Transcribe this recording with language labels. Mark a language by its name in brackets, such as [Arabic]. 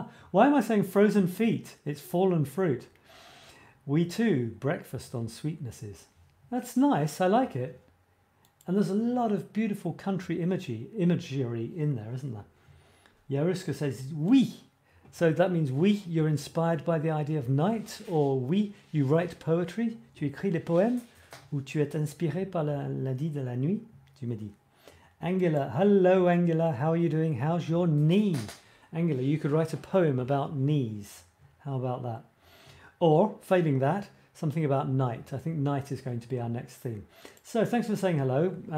[English] Why am I saying frozen feet? It's fallen fruit. We too breakfast on sweetnesses. That's nice. I like it. And there's a lot of beautiful country imagery in there, isn't there? Yaruska says, we. So that means we, you're inspired by the idea of night, or we, you write poetry. [French] Tu écris les poèmes, ou tu es inspiré par l'idée de la nuit, tu me dis. [English] Angela, hello Angela, how are you doing? How's your knee? Angela, you could write a poem about knees. How about that? Or, failing that, something about night. I think night is going to be our next theme. So thanks for saying hello.